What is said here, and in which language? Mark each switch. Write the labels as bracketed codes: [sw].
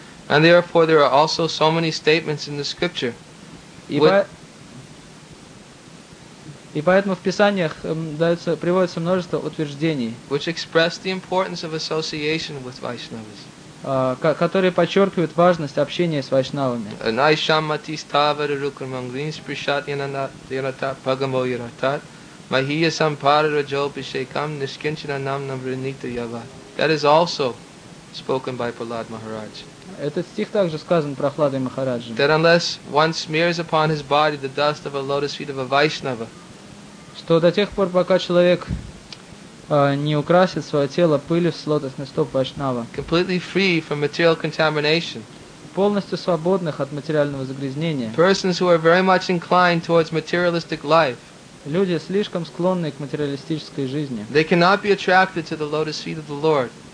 [en] And therefore, there are also so many statements in the scripture. [ru] И поэтому в писаниях приводится множество утверждений, [en] which express the importance of association with Vaishnavas. [ru] Которые подчеркивают важность общения с вайшнавами. [sa] Naisham mati stavar rukramangrin sprishat yanata pagamo yaratat mahiya samparara jopishekam nishkinchina nam navrinita yava. [en] That is also spoken by Prahlad Maharaj. [ru] Этот стих также сказан Прохладой Махараджи. [en] That unless one smears upon his body the dust of a lotus feet of a Vaishnava, [ru] что до тех пор, пока человек не украсит свое тело пылью с лотосных стоп Вайшнава, [en] completely free from material contamination, [ru] полностью свободных от материального загрязнения, [en] persons who are very much inclined towards materialistic life, [ru] люди слишком склонные к материалистической жизни, [en] they cannot be attracted to the lotus feet of the Lord.